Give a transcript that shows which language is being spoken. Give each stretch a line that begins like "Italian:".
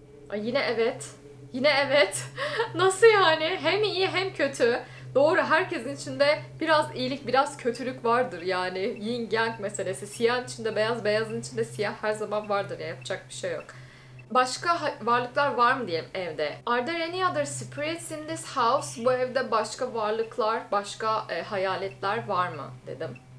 Turkish: Ay, yine evet. Yine evet. Nasıl yani? Hem iyi hem kötü. Doğru, herkesin içinde biraz iyilik, biraz kötülük vardır yani. Yin yang meselesi. Siyahın içinde beyaz, beyazın içinde siyah her zaman vardır ya. Yapacak bir şey yok. Başka varlıklar var mı diyelim evde?
English: Are there any other spirits in this house?
Turkish: Bu evde başka varlıklar, başka hayaletler var mı dedim.